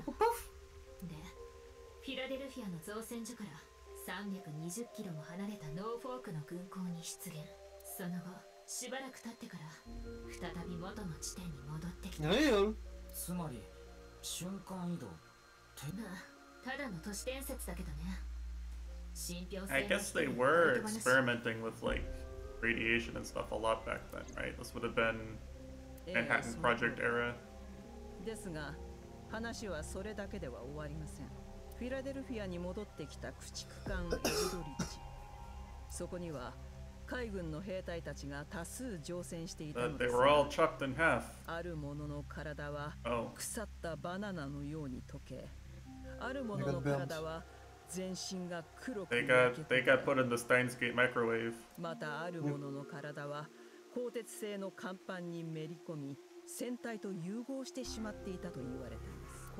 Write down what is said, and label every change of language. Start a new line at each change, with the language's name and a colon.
Japanese: で、フィラデルフィアの造船所から320キロも離れたノーフォークの軍港に出現。その後、しばらく経ってから再び元の地点に戻ってきた。何よ。つまり、瞬間移動って。まあ、ただの都市伝説だけどね。信憑性の。
English: I guess they were experimenting with like radiation and stuff a lot back then, right? This would have been Manhattan Project era.
Japanese: ですが、話はそれだけでは終わりません。フィラデルフィアに戻ってきた駆逐艦エルドリッチ。そこには海軍の兵隊たちが多数乗船していたのですが、ある者の体は腐ったバナナのように溶け、ある者の体は全身が黒く、またある者の体は鋼鉄製の甲板にめり込み、船体と融合してしまっていたと言われています。